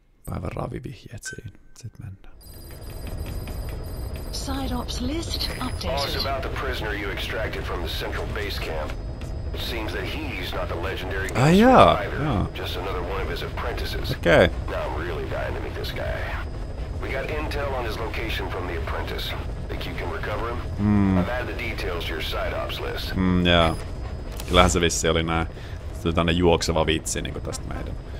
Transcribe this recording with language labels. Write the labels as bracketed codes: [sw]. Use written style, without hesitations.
[fi] Päivän ravivihjeet siinä. Sitten mennään. [en] Side ops list updated. Talks about the prisoner you extracted from the central base camp. It seems that he's not the legendary guy. Just another one of his apprentices. Okay. Now I'm really dying to meet this guy. We got intel on his location from the apprentice. Think you can recover him? I've added the details to your side ops list. [fi] Kyllähän se vissi oli nää. Se oli tämmönen juokseva vitsi niinku tästä meidän.